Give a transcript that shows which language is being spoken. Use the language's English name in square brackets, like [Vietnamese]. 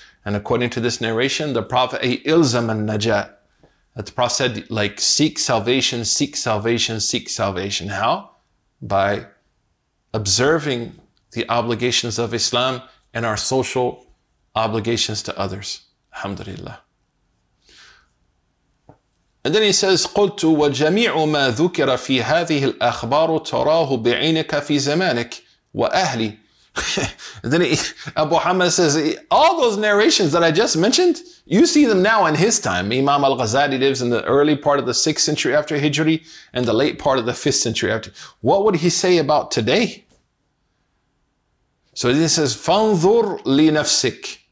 [English] And according to this narration, the Prophet, [Arabic] إِلْزَمَ النَّجَاءَ. [English] That the Prophet said, like, seek salvation, seek salvation, seek salvation. How? By observing the obligations of Islam and our social obligations to others. Alhamdulillah. And then he says, [Arabic] قلت وجميع ما ذكر في هذه الأخبار تراه بعينك في زمانك وأهلي. [English] And then Abu Hamad says, all those narrations that I just mentioned, you see them now in his time. Imam al-Ghazali lives in the early part of the 6th century after Hijri and the late part of the 5th century after. What would he say about today? So he says, [Arabic] فَانْظُرْ لِنَفْسِكْ.